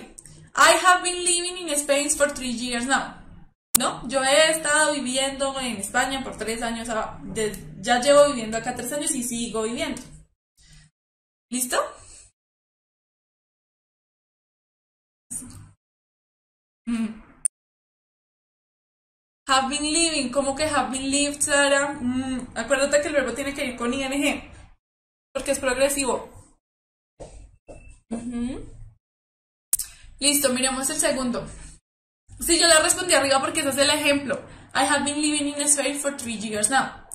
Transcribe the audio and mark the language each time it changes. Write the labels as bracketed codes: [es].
[en] I have been living in Spain for 3 years now. [es] ¿No? Yo he estado viviendo en España por 3 años. Ya llevo viviendo acá 3 años y sigo viviendo. ¿Listo? [en] Have Have been living, [es] ¿cómo que [en] have been lived, [es] Sara? Acuérdate que el verbo tiene que ir con ing, porque es progresivo. Listo, miremos el segundo. Sí, yo la respondí arriba porque ese es el ejemplo. [en] I have been living in Spain for 3 years now.